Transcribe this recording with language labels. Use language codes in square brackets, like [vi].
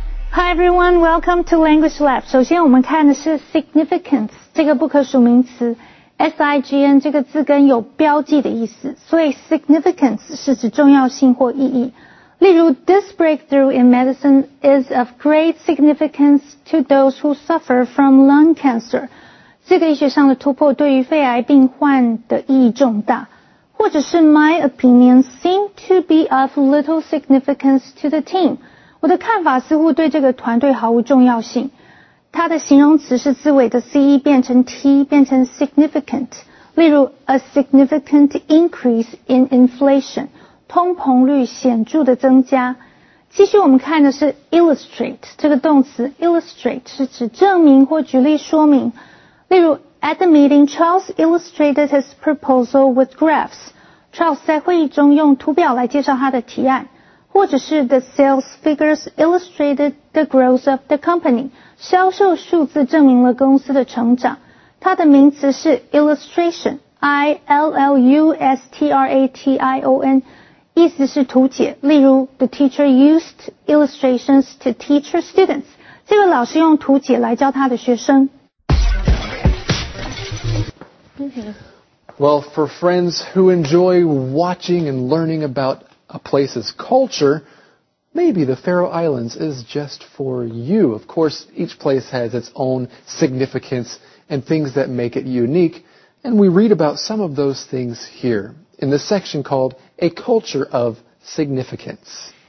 [en] Hi everyone, welcome to Language Lab. [zh] 首先我们看的是 significance 这个不可数名词 ,sign 这个字根有标记的意思。所以 significance 是指重要性或意义。 [en] 例如 ,this breakthrough in medicine is of great significance to those who suffer from lung cancer. [zh] 这个医学上的突破对于肺癌病患的意义重大。 [en] 或者是 my opinion seem to be of little significance to the team. [zh] 我的看法似乎对这个团队毫无重要性。它的形容词是字尾的 C 变成 T 变成 significant。 [en] 例如 ,a significant increase in inflation, [zh] 通膨率显著的增加。继续我们看的是 illustrate, 这个动词 illustrate 是指证明或举例说明。 [en] 例如 ,at the meeting, Charles illustrated his proposal with graphs. [zh] Charles 在会议中用图表来介绍他的提案。 [en] 或者是 the sales figures illustrated the growth of the company. [zh] 销售数字证明了公司的成长。它的名词是 illustration, I-L-L-U-S-T-R-A-T-I-O-N, 意思是图解。 [en] 例如 the teacher used illustrations to teach her students. [zh] 这个老师用图解来教他的学生。 [en] Well, for friends who enjoy watching and learning aboutA place's culture, maybe the Faroe Islands is just for you. Of course, each place has its own significance and things that make it unique, and we read about some of those things here in the section called A Culture of Significance.